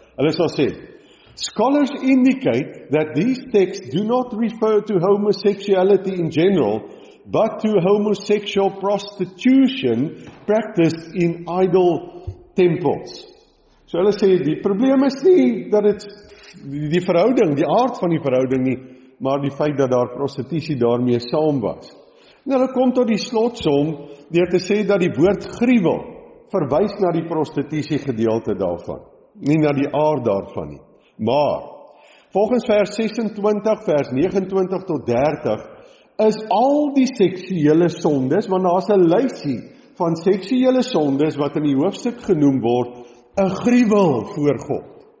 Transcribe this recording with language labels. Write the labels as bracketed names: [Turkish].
[Afrikaans] Hulle sal sê, [English] scholars indicate that these texts do not refer to homosexuality in general, but to homosexual prostitution practiced in idol temples. [Afrikaans] So hulle sê, die probleem is nie dat het die verhouding, die aard van die verhouding nie, maar die feit dat daar prostitusie daarmee saam was. En hulle kom tot die slotsom deur te sê dat die woord gruwel verwys na die prostitusie gedeelte daarvan, nie na die aard daarvan nie. Maar, volgens vers 26, vers 29 tot 30, is al die seksuele sondes, want daar is een lysie van seksuele sondes wat in die hoofstuk genoem word, een gruwel voor God.